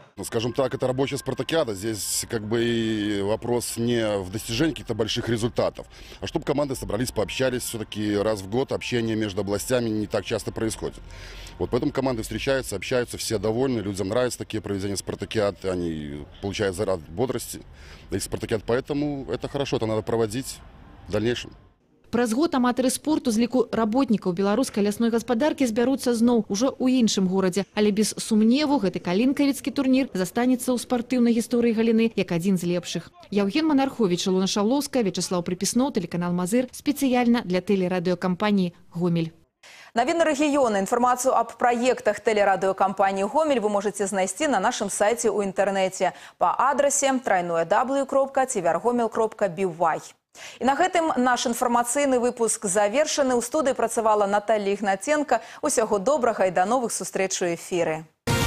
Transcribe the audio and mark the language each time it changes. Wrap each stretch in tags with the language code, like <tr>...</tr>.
<ru>Скажем так, это рабочая спартакиада. Здесь как бы вопрос не в достижении каких-то больших результатов, а чтобы команды собрались, пообщались. Все-таки раз в год общение между областями не так часто происходит. Вот поэтому команды встречаются, общаются, все довольны. Людям нравятся такие проведения спартакиад. Они получают заряд бодрости. И спартакиад, поэтому это хорошо, это надо проводить в дальнейшем.</ru> <be>Праз год аматары спорту з ліку работнікаў беларускай лясной гаспадаркі збяруцца зноў уже ў іншым горадзе. Але без сумневу гэты калінкавіцкі турнір застанецца ў спартыўнай гісторыі галіны як адзін з лепшых. Яўген Манархович, Луна Шаўлоўская, Вячаслаў Прыпісноў, телеканал «Мазыр», спецыяльна для телерадыокампаніі «Гомель». Навіны рэгіёна, інфармацыю аб праектах тэлерадыёкампаніі «Гомель» вы можаце знайсці на нашым сайце ў інтэрнэце па адрасе www.tvrgomel.by. І на гэтым наш інфармацыйны выпуск завершаны. У студыі працавала Наталія Ігнатенко. Усяго добрага і да новых сустрэч у ефіры.</be>